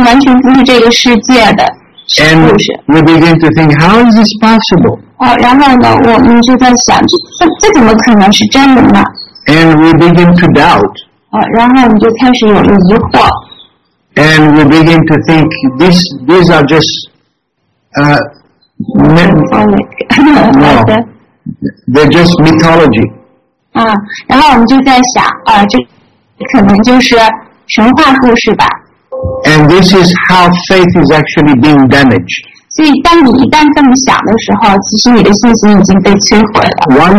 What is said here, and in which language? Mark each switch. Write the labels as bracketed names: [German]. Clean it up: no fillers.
[Chinese] 然后呢，我们在这个圣顶波迦瓦坛的不同的篇章里面，都会读到一些超乎想象的一些这些逍遥时光，是完全不是这个世界的。 [English] And we begin to think, how is this possible? [Chinese] 然后呢，我们就在想，这怎么可能是真的呢？ [English] And we begin to doubt. [Chinese] 然后我们就开始有疑惑。 [English] And we begin to think these are just they're just mythology. [Chinese] 然后我们就在想，这可能就是神话故事吧。 [English] And this is how faith is actually being damaged. [Chinese] 所以，当你一旦这么想的时候，其实你的信心已经被摧毁了。 [English] One